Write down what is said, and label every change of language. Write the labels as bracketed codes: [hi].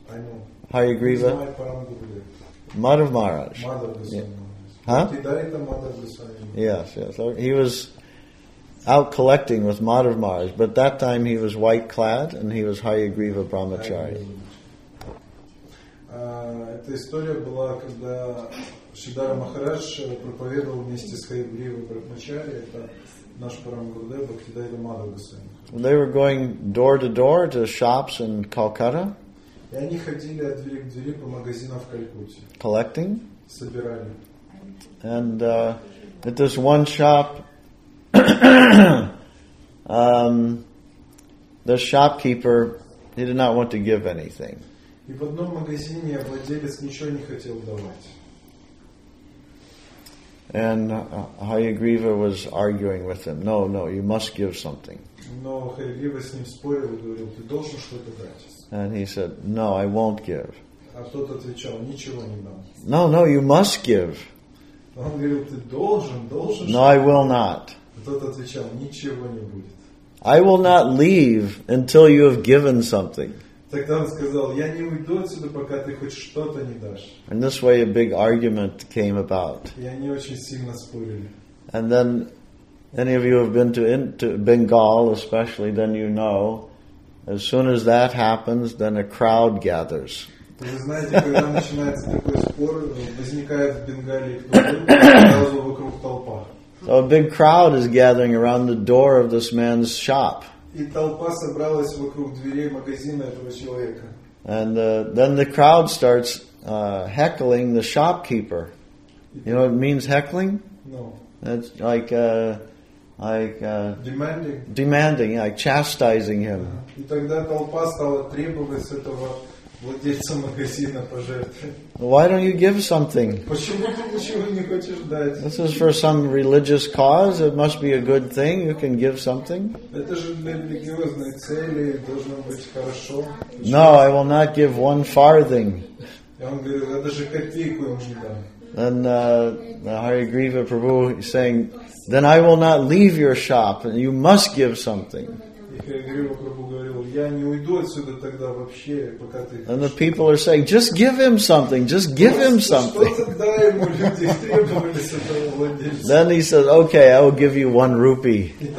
[en] I know. Haryagriva. He's my Param Guru. Madhav Maharaj. He was out collecting with Madhav Maharaj, but that time he was white clad and he was Haryagriva Brahmachari. [ru] Эта история была, когда Шридхара Махарадж проповедовал вместе с Хайгривой Брахмачари, это наш Парам Гурудев, Бхактидайта Мадхава Госвами. [en] They were going door to door to shops in Calcutta. [ru] И они ходили от двери к двери по магазинам в Калькутте. [en] Collecting. [ru] Собирали. [en] And at this one shop, the shopkeeper, he did not want to give anything. [ru] И в одном магазине владелец ничего не хотел давать. [en] And Haryagriva was arguing with him. No, no, you must give something. [ru] Но Haryagriva с ним спорил, говорил, ты должен что-то дать. [en] And he said, no, I won't give. [ru] А тот отвечал, ничего не дам. [en] No, no, you must give. [ru] Он говорил, ты должен, должен. [en] No, I will not. [ru] А тот отвечал, ничего не будет. [en] I will not leave until you have given something. [ru] Тогда он сказал, я не уйду отсюда, пока ты хоть что-то не дашь. [en] And this way a big argument came about. [ru] И они очень сильно спорили. [en] And then, any of you have been to Bengal especially, then you know, as soon as that happens, then a crowd gathers. [ru] Вы знаете, когда начинается такой спор, возникает в Бенгалии кто-то, сразу вокруг толпа. [en] So a big crowd is gathering around the door of this man's shop. [ru] И толпа собралась вокруг дверей магазина этого человека. [en] And then the crowd starts heckling the shopkeeper. You know what it means, heckling? No. That's like demanding. Demanding, like chastising him. [ru] И тогда толпа стала требовать с этого владельца магазина пожертвовать. [en] Why don't you give something? [ru] Почему ты ничего не хочешь дать? [en] This is for some religious cause. It must be a good thing. You can give something. [ru] Это же для религиозной цели должно быть хорошо. [en] No, I will not give one farthing. [ru] Я вам говорю, это же копейку я не дам. [en] And Haryagriva Prabhu is saying, then I will not leave your shop, and you must give something. And the people are saying, just give him something, just give him something. Then he said, okay, I will give you 1 rupee.